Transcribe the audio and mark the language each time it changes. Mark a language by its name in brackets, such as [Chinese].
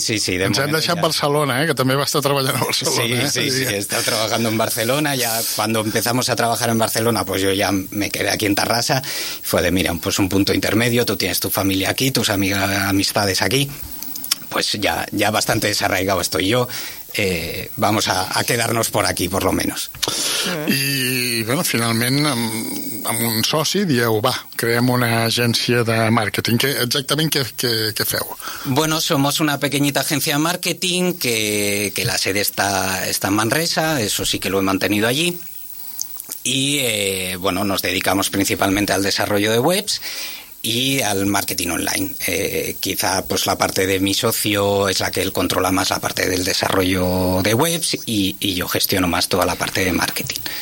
[Catalan] de moment. Ens hem deixat Barcelona, que també va estar treballant a Barcelona. Sí, està treballant en Barcelona. [Spanish] Ya cuando empezamos a trabajar en Barcelona, pues yo ya me quedé aquí en Tarrasa. Fue de, mira, pues un punto intermedio, tú tienes tu familia aquí, tus amistades aquí. Pues ya bastante desarraigado estoy yo. Vamos a quedarnos por aquí, por lo menos. [Catalan] I, bueno, finalment, amb un soci, dieu, va, creem una agència de màrqueting. Exactament què feu? [Spanish] Bueno, somos una pequeñita agencia de màrqueting que la sede está en Manresa, eso sí que lo he mantenido allí. Y, bueno, nos dedicamos principalmente al desarrollo de webs y al marketing online. Quizá pues la parte de mi socio es la que él controla más la parte del desarrollo de webs y yo gestiono más toda la parte de marketing.